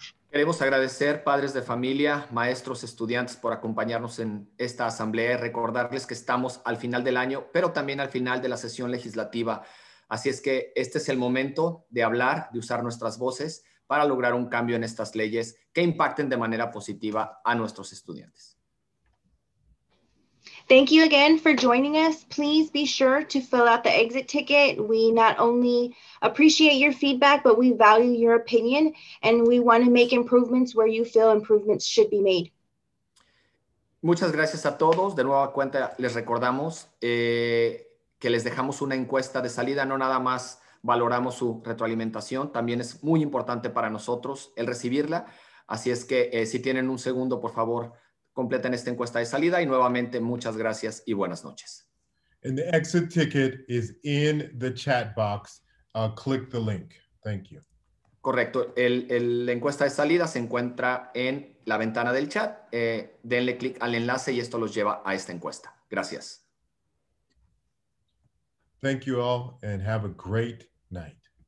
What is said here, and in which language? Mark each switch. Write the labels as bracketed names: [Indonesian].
[Spanish] Queremos agradecer, padres de familia, maestros, estudiantes, por acompañarnos en esta asamblea y recordarles que estamos al final del año, pero también al final de la sesión legislativa. Así es que este es el momento de hablar, de usar nuestras voces para lograr un cambio en estas leyes que impacten de manera positiva a nuestros estudiantes. [English] Thank you again for joining us. Please be sure to fill out the exit ticket. We not only appreciate your feedback, but we value your opinion, and we want to make improvements where you feel improvements should be made. [Spanish] Muchas gracias a todos. De nueva cuenta, les recordamos que les dejamos una encuesta de salida. No nada más valoramos su retroalimentación. También es muy importante para nosotros el recibirla. Así es que si tienen un segundo, por favor, completen esta encuesta de salida y nuevamente muchas gracias y buenas noches. [English] And the exit ticket is in the chat box. Click the link. Thank you. [Spanish] Correcto. La encuesta de salida se encuentra en la ventana del chat. Denle clic al enlace y esto los lleva a esta encuesta. Gracias. [English] Thank you all and have a great night.